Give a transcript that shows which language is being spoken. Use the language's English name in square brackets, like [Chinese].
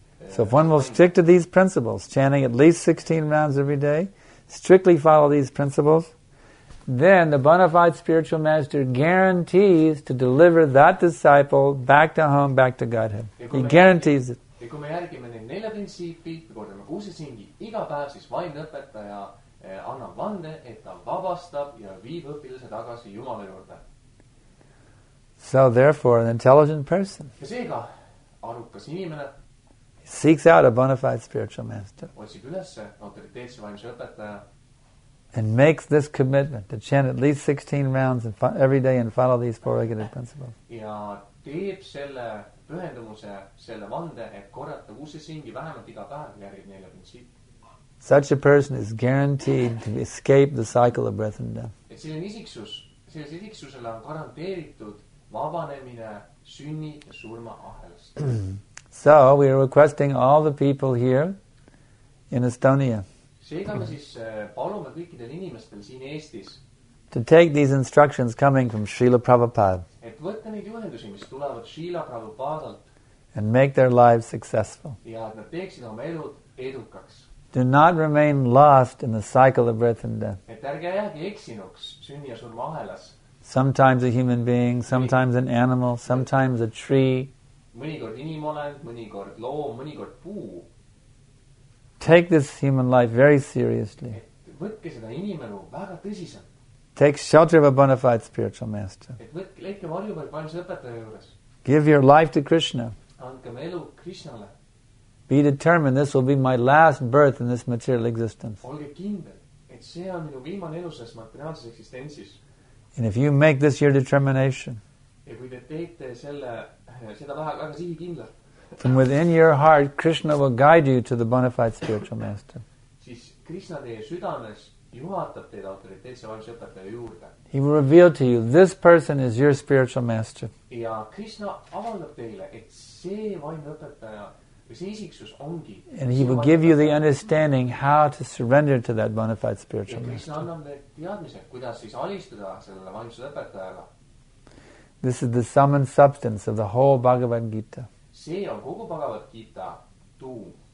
[English] So if one will stick to these principles, chanting at least 16 rounds every day, strictly follow these principles, then the bona fide spiritual master guarantees to deliver that disciple back to home, back to Godhead. He guarantees it. [Estonian] Ja kui me järgime neid nelja printsiipi, kui kordame kuusi singi, iga päev siis vaimne õpetaja annab vande, et ta vabastab ja viib õpilase tagasi Jumale juurde. [English] So therefore, an intelligent person [Estonian] ja seega, arukas inimene, [English] seeks out a bona fide spiritual master [Estonian] otsib ülesse, autoriteetse vaimse õpetaja, [English] and makes this commitment to chant at least 16 rounds every day and follow these four regular principles. [Estonian] Ja teeb selle pühendumuse, selle vande, et korrata uusi singi vähemalt iga päev järgi neile printsiipi. [English] Such a person is guaranteed to escape the cycle of breath and death. [Estonian] Et selline isiksusele on garanteeritud vabanemine sünni ja surma ahelast. [English] So we are requesting all the people here in Estonia [Estonian] seega me siis palume kõikidel inimestel siin Eestis [English] to take these instructions coming from Srila Prabhupada. [Estonian] Et võtta neid juhendusi, mis tulevad Srila Prabhupadalt. [English] And make their lives successful. [Estonian] Ja et nad teeksid oma elud edukaks. [English] Do not remain lost in the cycle of birth and death. [Estonian] Et ärge jäägi eksinuks sünni ja surma ahelas. [English] Sometimes a human being, sometimes an animal, sometimes a tree. [Estonian] Mõnikord inimolend, mõnikord loom, mõnikord puu. [English] Take this human life very seriously. [Estonian] Võtke seda inimelu väga tõsiselt. [English] Take shelter of a bona fide spiritual master. [Estonian] Leke varju peal vaimse õpetaja juures. [English] Give your life to Krishna. [Estonian] Andke elu Krishnale. [English] Be determined, this will be my last birth in this material existence. [Estonian] Olge kindel, et see on minu viimane elu selles materiaalses eksistentsis. [English] And if you make this your determination, [Estonian] ja kui te teete selle, seda väga sihi kindla, [English] from within your heart, Krishna will guide you to the bona fide spiritual master. [Estonian] Siis Krishna teie südames juhatab teid autoriteetse vaimse õpetaja juurde. [English] He will reveal to you, this person is your spiritual master. [Estonian] Ja Krishna avaldab teile, et see vaimne õpetaja, või see isiksus ongi. [English] And he will give you the understanding how to surrender to that bona fide spiritual master. [Estonian] Ja Krishna annab teid teadmise, kuidas siis alistuda sellele vaimse õpetajale. [English] This is the sum and substance of the whole Bhagavad Gita. [Estonian] See on kogu Bhagavad Gita tuum.